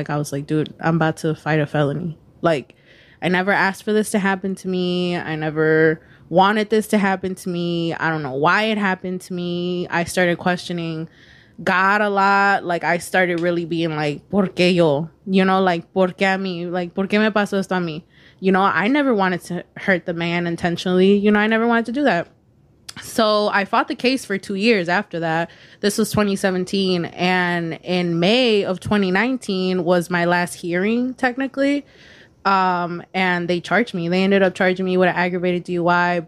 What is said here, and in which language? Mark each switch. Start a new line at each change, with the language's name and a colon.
English: Like, I was like, dude, I'm about to fight a felony. Like, I never asked for this to happen to me. I never wanted this to happen to me. I don't know why it happened to me. I started questioning God a lot. Like, I started really being like,
Spanish: ¿por qué yo?
English: You know, like,
Spanish: ¿por qué a mí?
English: Like,
Spanish: ¿por qué me pasó esto a mí?
English: You know, I never wanted to hurt the man intentionally. You know, I never wanted to do that. So I fought the case for 2 years after that. This was 2017. And in May of 2019 was my last hearing, technically. And they charged me. They ended up charging me with an aggravated DUI.